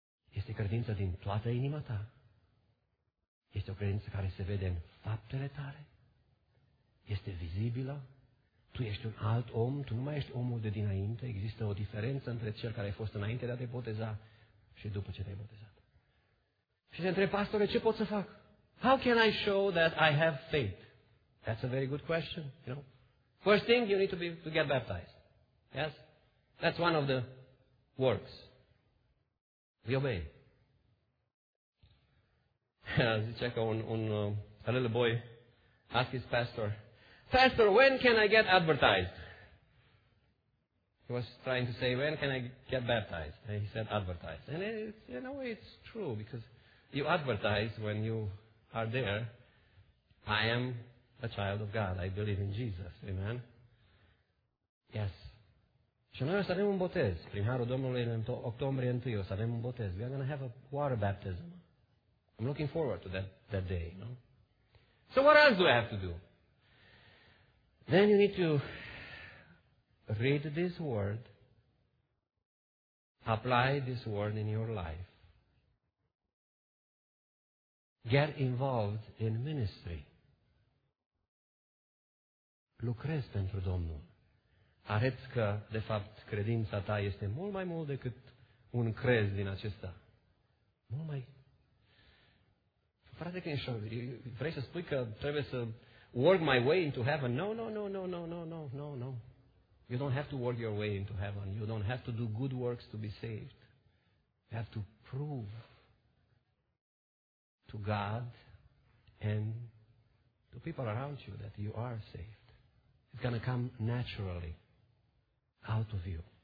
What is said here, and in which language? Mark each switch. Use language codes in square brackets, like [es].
[ro] Este credința din toată inima ta? Este o credință care se vede în faptele tale? Este vizibilă? Tu ești un alt om? Tu nu mai ești omul de dinainte? Există o diferență între cel care a fost înainte de a te boteza și după ce te-ai botezat? Și se întreabă, pastore, ce pot să fac? [en] How can I show that I have faith? That's a very good question, you know. First thing, you need to get baptized. Yes? That's one of the works. We obey. [ro] Zice că [en] a little boy asked his pastor, Pastor, when can I get advertised? He was trying to say, when can I get baptized? And he said, advertised. And it's, you know, it's true, because You advertise when you are there, I am a child of God. I believe in Jesus. Amen? Yes. [ro] Și noi o să avem un botez. Prin harul Domnului, în octombrie 1, o să avem un botez. [en] We are going to have a water baptism. I'm looking forward to that day. No? So what else do I have to do? Then you need to read this word, apply this word in your life, get involved in ministry, [ro] lucrez pentru Domnul. Arăți că, de fapt, credința ta este mult mai mult decât un crez din acesta. Mult mai. Frate, vrei să spui că trebuie să [en] work my way into heaven? No, no, no, no, no, no, no, no, no. You don't have to work your way into heaven. You don't have to do good works to be saved. You have to prove to God and to people around you that you are saved. It's going to come naturally out of you.